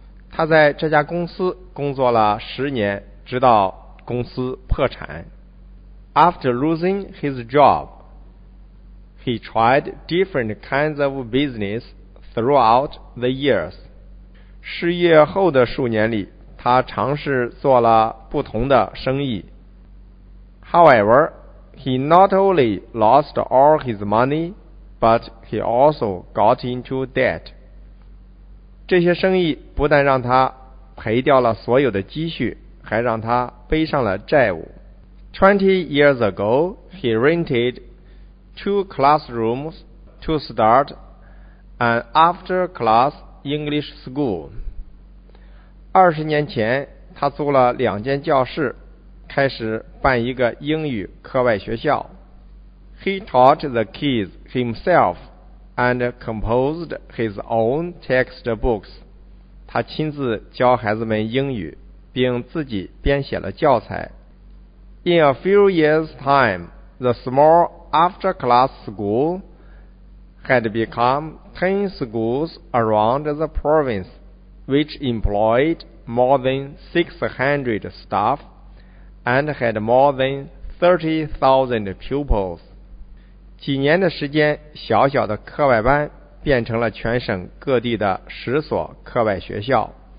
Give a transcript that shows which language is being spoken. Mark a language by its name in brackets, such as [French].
[Chinese] 他在这家公司工作了十年，直到公司破产。 [English] After losing his job, he tried different kinds of business throughout the years. [Chinese] 失业后的数年里，他尝试做了不同的生意。 [English] However, he not only lost all his money, but he also got into debt. [Chinese] 这些生意不但让他赔掉了所有的积蓄，还让他背上了债务。 [English] 20 years ago, he rented 2 classrooms to start an after-class English school. [Chinese] 20年前，他租了两间教室开始办一个英语课外学校。 [English] He taught the kids himself and composed his own textbooks. [Chinese] 他亲自教孩子们英语，并自己编写了教材。 [English] In a few years' time, the small after-class school had become 10 schools around the province, which employed more than 600 staff. And had more than 30,000 pupils. [Chinese] 几年的时间，小小的课外班变成了全省各地的十所课外学校。